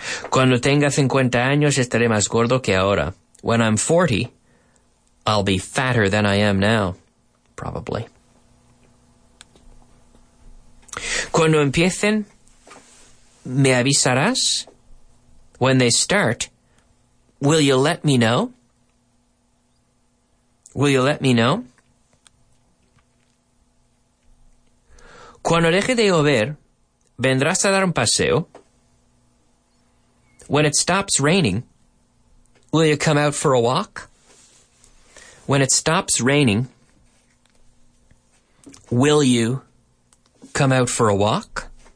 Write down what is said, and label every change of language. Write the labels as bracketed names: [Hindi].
[Spanish] Cuando tenga 50 años, estaré más gordo que ahora. [English] When I'm 40, I'll be fatter than I am now, probably. [Spanish] Cuando empiecen, me avisarás. [English] When they start, will you let me know? Will you let me know? [Spanish] Cuando deje de llover, ¿vendrás a dar un paseo? [English] When it stops raining, will you come out for a walk? When it stops raining, will you come out for a walk?